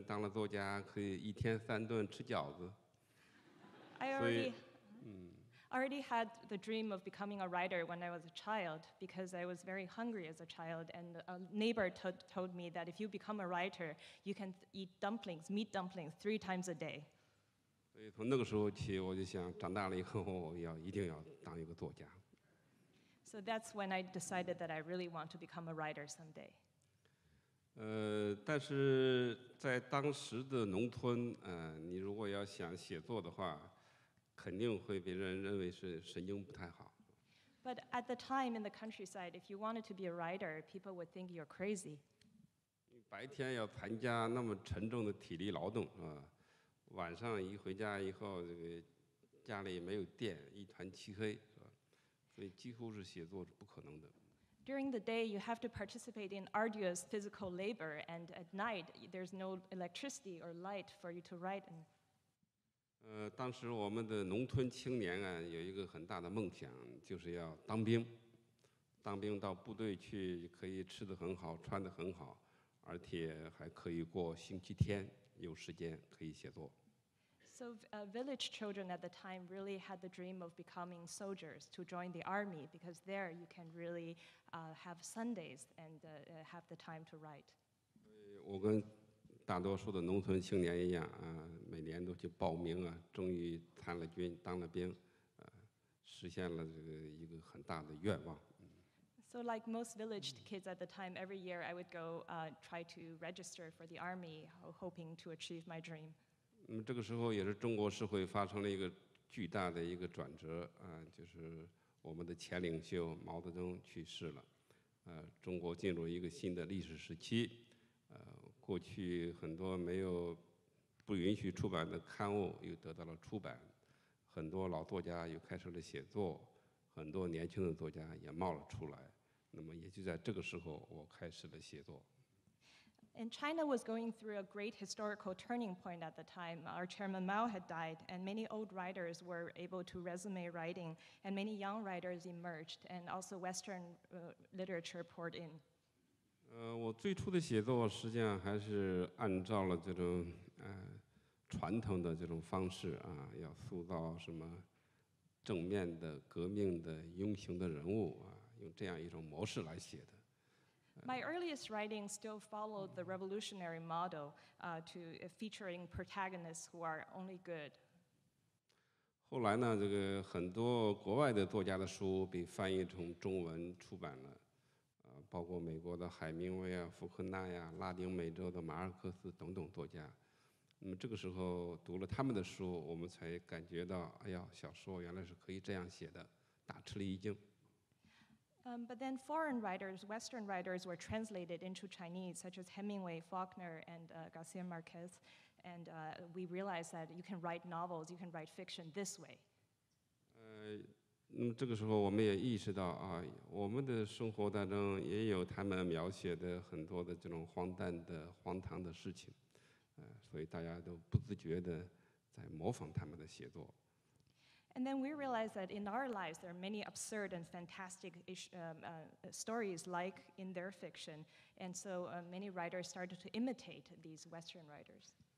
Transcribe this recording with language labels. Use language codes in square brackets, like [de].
[zh] 我小的时候实际上就有这个作家梦啊，那个时候，中国的这个物质生活还是比较贫困的，因为我的一个邻居告诉我，一个人当了作家可以一天3顿吃饺子。 [en] I already had the dream of becoming a writer when I was a child because I was very hungry as a child, and a neighbor told me that if you become a writer, you can eat dumplings, meat dumplings, 3 times a day. [zh] 所以从那个时候起，我就想，长大了以后我要一定要当一个作家。 [en] So that's when I decided that I really want to become a writer someday. [zh] 但是在当时的农村，你如果要想写作的话，肯定会被人认为是神经不太好。 [en] But at the time in the countryside, if you wanted to be a writer, people would think you're crazy. [zh] 白天要参加那么沉重的体力劳动，晚上一回家以后，这个家里没有电，一团漆黑，是吧？所以几乎是写作是不可能的。 [en] During the day, you have to participate in arduous physical labor, and at night, there's no electricity or light for you to write in. [zh] 当时我们的农村青年啊，有一个很大的梦想，就是要当兵。当兵到部队去，可以吃得很好，穿得很好，而且还可以过星期天，有时间可以写作。 [en] So, village children at the time really had the dream of becoming soldiers to join the army because there you can really have Sundays and have the time to write. [zh] 我跟大多数的农村青年一样，每年都去报名啊，终于参了军，当了兵，实现了这个一个很大的愿望。 [en] So, like most village kids at the time, every year I would go try to register for the army, hoping to achieve my dream. [zh] 这个时候也是中国社会发生了一个巨大的一个转折，就是我们的前领袖毛泽东去世了，中国进入一个新的历史时期，过去很多没有不允许出版的刊物又得到了出版，很多老作家又开始了写作，很多年轻的作家也冒了出来，那么也就在这个时候我开始了写作。 [en] And China was going through a great historical turning point at the time. Our chairman Mao had died, and many old writers were able to resume writing, and many young writers emerged, and also Western literature poured in. [zh] 我最初的写作实际上还是按照了这种传统的这种方式啊，要塑造什么正面的革命的英雄的人物啊，用这样一种模式来写的。 [en] My earliest writing still followed the revolutionary model, to featuring protagonists who are only good. [zh] 后来呢，这个很多国外的作家的书被翻译成中文出版了，包括美国的海明威啊、福克纳呀、拉丁美洲的马尔克斯等等作家。那么这个时候读了他们的书，我们才感觉到，哎呀，小说原来是可以这样写的，大吃了一惊。 [en] But then foreign writers, Western writers were translated into Chinese, such as Hemingway, Faulkner, and Garcia Marquez, and we realized that you can write novels, you can write fiction this way. [zh] 这个时候我们也意识到啊，我们的生活当中也有他们描写的很多的这种荒诞的、荒唐的事情，所以大家都不自觉的在模仿他们的写作。 [en] And then we realized that in our lives there are many absurd and fantastic stories like in their fiction. And so many writers started to imitate these Western writers.